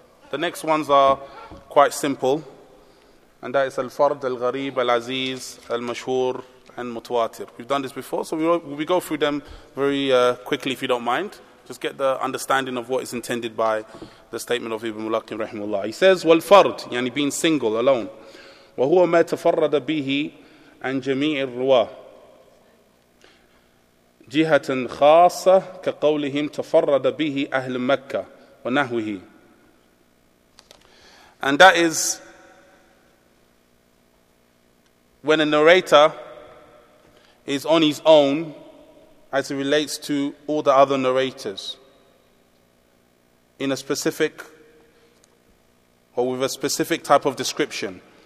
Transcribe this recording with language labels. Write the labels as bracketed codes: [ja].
[en] The next ones are quite simple. And that is Al-Fard, Al-Gharib, Al-Aziz, Al-Mashhur, and Mutawatir. We've done this before, so we go through them very quickly, if you don't mind. Just get the understanding of what is intended by the statement of Ibn Mulaqin, rahimullah. He says, Wal-Fard, yani being single, alone. [ar] وهو ما تفرد به عن جميع الرواة جهة خاصة كقولهم تفرد به أهل مكة ونهوه. [en] And that is when a narrator is on his own as it relates to all the other narrators in a specific or with a specific type of description.